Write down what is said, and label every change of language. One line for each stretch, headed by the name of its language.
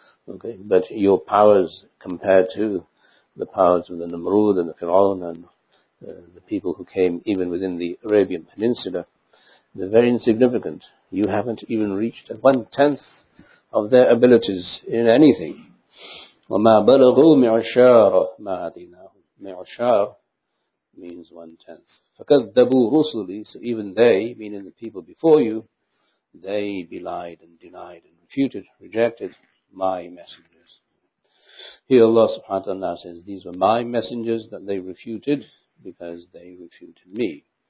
English: Okay, but your powers compared to the powers of the Namrud and the Fir'aun and the people who came even within the Arabian Peninsula, they're very insignificant. You haven't even reached 1/10 of their abilities in anything.
Arabic: وَمَا بَلَغُوا مِعْشَارَ مَا عَدِيْنَاهُمْ مِعْشَارَ
English: means 1/10.
Arabic: فَكَذَّبُوا رُسُلِي
English: so even they, meaning the people before you, they belied and denied and refuted, rejected my messengers. Here Allah subhanahu wa ta'ala says, these were my messengers that they refuted because they refuted me.